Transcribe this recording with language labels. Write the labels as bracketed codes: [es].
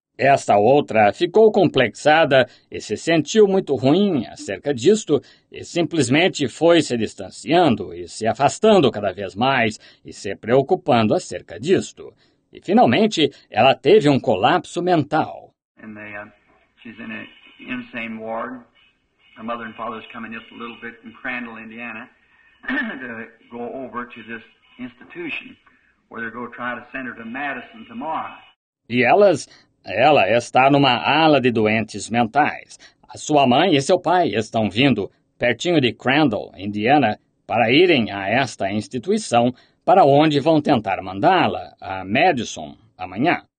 [pt] Esta outra ficou complexada e se sentiu muito ruim acerca disto e simplesmente foi se distanciando e se afastando cada vez mais e se preocupando acerca disto. E finalmente, ela teve um colapso mental. [en] She's in an insane ward. Her mother and father's coming just a little bit from Crandall, Indiana, to go over to this institution where they're going to try to send her to Madison tomorrow. [pt] E elas... Ela está numa ala de doentes mentais. A sua mãe e seu pai estão vindo pertinho de Crandall, Indiana, para irem a esta instituição para onde vão tentar mandá-la, a Madison, amanhã.